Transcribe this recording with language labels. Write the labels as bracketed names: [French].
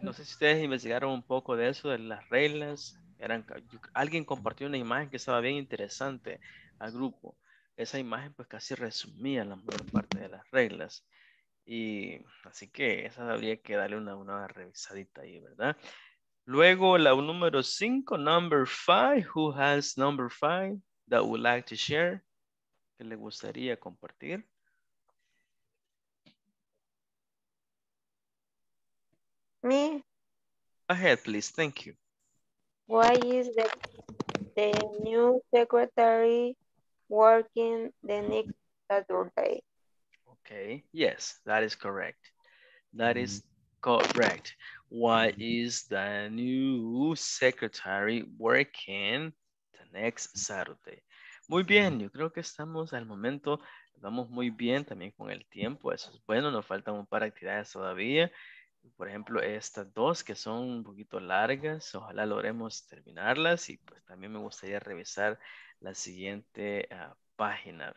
[Spanish] No sé si ustedes investigaron un poco de eso, de las reglas. Alguien compartió una imagen que estaba bien interesante al grupo. Esa imagen pues casi resumía la mayor parte de las reglas. Y así que esa habría que darle una revisadita ahí, ¿verdad? Luego, la número 5, [English] number 5, who has number 5 that would like to share? [Spanish] ¿Qué le gustaría compartir? [English] Me. Go ahead, please, thank you. Why is the the new secretary working the next Saturday. Okay, yes, that is correct. That is correct. What is the new secretary working the next Saturday? [Spanish] Muy bien, yo creo que estamos al momento, vamos muy bien también con el tiempo, eso es bueno, nos faltan un par de actividades todavía. Por ejemplo, estas dos que son un poquito largas, ojalá logremos terminarlas y pues también me gustaría revisar la siguiente página.